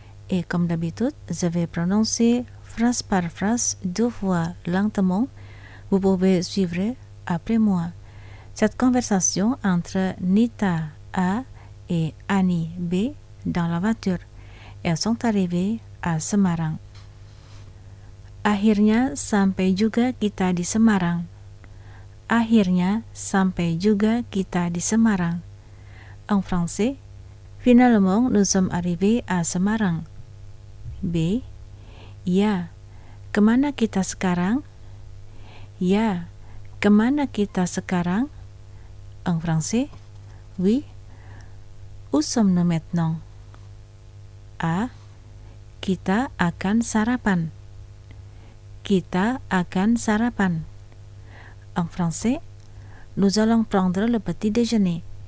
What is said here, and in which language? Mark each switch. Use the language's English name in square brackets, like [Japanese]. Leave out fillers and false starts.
[French] Et comme d'habitude, je vais prononcer phrase par phrase deux fois lentement. Vous pouvez suivre après moi. Cette conversation entre Nita A et Annie B dans la voiture. Elles sont arrivées à Semarang. [Indonesian] Akhirnya sampai juga kita di Semarang. Akhirnya sampai juga kita di Semarang. [French] En français, finalement nous sommes arrivés à Semarang. B. [Indonesian] Ya, kemana kita sekarang? Ya, kemana kita sekarang? [French] En français, oui, où sommes-nous maintenant? A. [Indonesian] Kita akan sarapan. Kita akan sarapan. [French] En français, nous allons prendre le petit déjeuner.